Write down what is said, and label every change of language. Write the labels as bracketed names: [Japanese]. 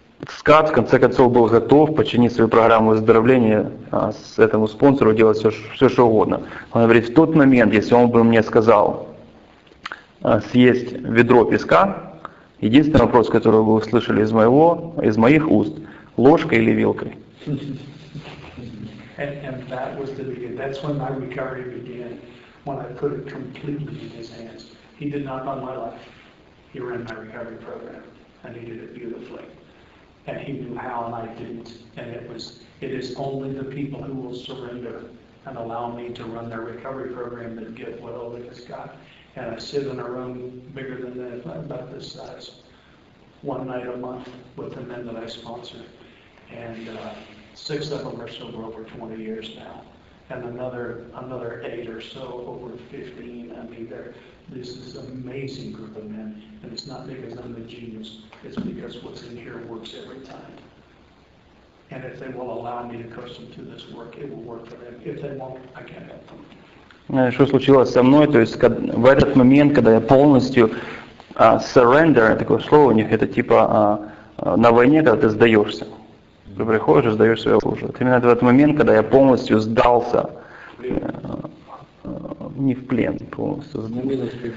[Russian] Скат, в конце концов, был готов подчинить свою программу выздоровления с этому спонсору, делать все, что угодно. Он говорит, в тот момент, если он бы мне сказал съесть ведро песка, единственный вопрос, который вы услышали из моих уст, ложкой или вилкой? [English] And that was the beginning. That's when my recovery began, when I put it completely in his hands. He did not run my life. He ran my recovery program, and he did it beautifully. And he knew how, and I didn't. And it is only the people who will surrender and allow me to run their recovery program that get what Oleg has got. And I sit in a room bigger than that, about this size, one night a month with the men that I sponsor. And six of them are sober over 20 years now. And another eight or so over 15. I mean, this is an amazing group of men. And it's not because I'm the genius. It's because what's in here works every time. And if they will allow me to coach them through this work, it will work for them. If they won't, I can't help them. [Russian] Что случилось со мной, то есть в этот момент, когда я полностью surrender, такое слово у них, это типа на войне, когда ты сдаешься. Ты приходишь и сдаешь свое оружие. Вот именно в этот момент, когда я полностью сдался, не в плен, полностью сдался.